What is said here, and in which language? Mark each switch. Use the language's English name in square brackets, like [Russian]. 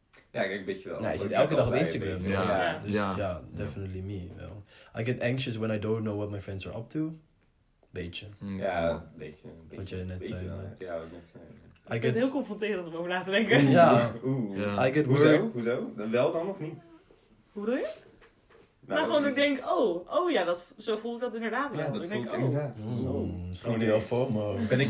[Dutch] Ja, ik denk een beetje wel. Nee, hij zit elke dag op Instagram. Ja. Ja. Dus ja, ja, [English] definitely me. Well, I get anxious when I don't know what my friends are up to. [Dutch] Beetje. Mm. Ja, een beetje. Wat jij net zei. Ja, wat net zei. Ik ben heel confronterend om over na te denken. Ja. Oeh. [English] Yeah. I get [Dutch] hoezo? Hoezo? Wel dan of niet? Hoe doe je? Maar nou, gewoon ik denk, oh ja, dat, zo voel ik dat inderdaad wel. Ja, dat voel ik inderdaad. Misschien heb je wel FOMO. Ben ik